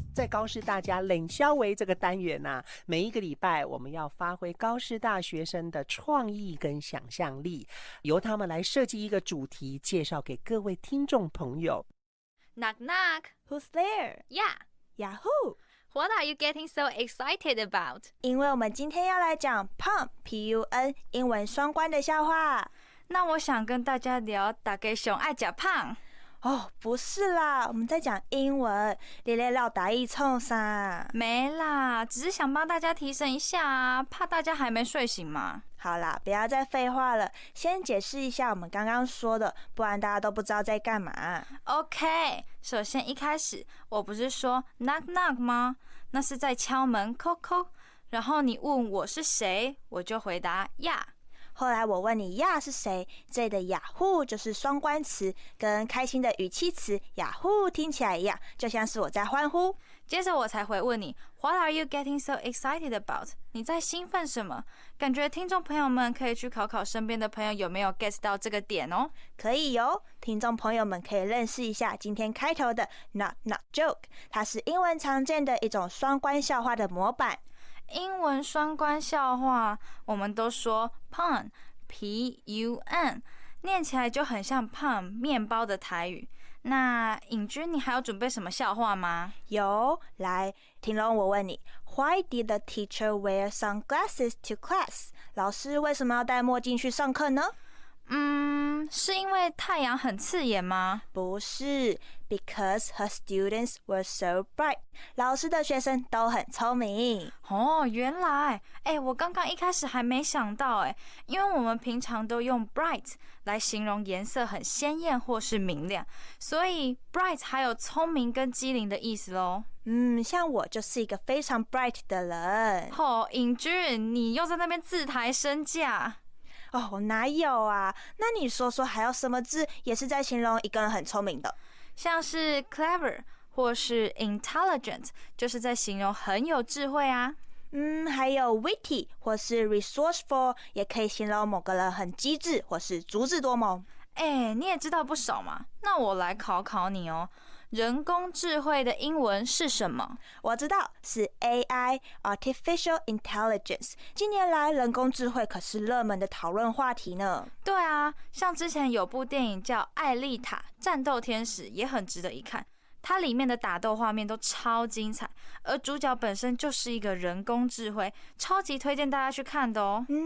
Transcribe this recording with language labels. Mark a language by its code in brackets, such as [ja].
[zh] 高师大家冷消微这个单元啊，每一个礼拜我们要发挥高师大学生的创意跟想象力，由他们来设计一个主题，介绍给各位听众朋友。 [en] Knock knock, who's there? Yeah, Yahoo. What are you getting so excited about? [zh] 因为我们今天要来讲 pun, p u n, 英文双关的笑话。那我想跟大家聊，大家熊爱假胖。哦，不是啦，我们在讲英文，你来绕打一冲啥？没啦，只是想帮大家提升一下啊，怕大家还没睡醒嘛。好啦，不要再废话了，先解释一下我们刚刚说的，不然大家都不知道在干嘛。 OK， 首先一开始我不是说 knock knock 吗？那是在敲门 ，叩叩。然后你问我是谁，我就回答呀。后来我问你呀是谁，这里的 Yahoo 就是双关词，跟开心的语气词 Yahoo 听起来一样，就像是我在欢呼。接着我才回问你 [en] What are you getting so excited about? [zh] 你在兴奋什么？感觉听众朋友们可以去考考身边的朋友有没有 get 到这个点哦。可以哦，听众朋友们可以认识一下今天开头的 Knock Knock Joke， 它是英文常见的一种双关笑话的模板。英文双关笑话，我们都说 pun, p u n， 念起来就很像 pun 面包的台语。那尹君，你还要准备什么笑话吗？有，来，婷龙，我问你 [en] ，Why did the teacher wear sunglasses to class？ [zh] 老师为什么要戴墨镜去上课呢？嗯，是因为太阳很刺眼吗？不是 [en] ，because her students were so bright。 [zh] 老师的学生都很聪明。哦，原来，哎，我刚刚一开始还没想到，哎，因为我们平常都用 bright 来形容颜色很鲜艳或是明亮，所以 bright 还有聪明跟机灵的意思咯。嗯，像我就是一个非常 bright 的人。哦，尹俊，你又在那边自抬身价。哦，哪有啊？那你说说还有什么字也是在形容一个人很聪明的？像是 clever 或是 intelligent， 就是在形容很有智慧啊。还有 witty 或是 resourceful， 也可以形容某个人很机智或是足智多谋。哎，你也知道不少嘛，那我来考考你哦。人工智慧的英文是什么？我知道是 AI， Artificial Intelligence。近年来人工智慧可是热门的讨论话题呢。对啊，像之前有部电影叫《艾丽塔：战斗天使》也很值得一看，它里面的打斗画面都超精彩，而主角本身就是一个人工智慧，超级推荐大家去看的哦。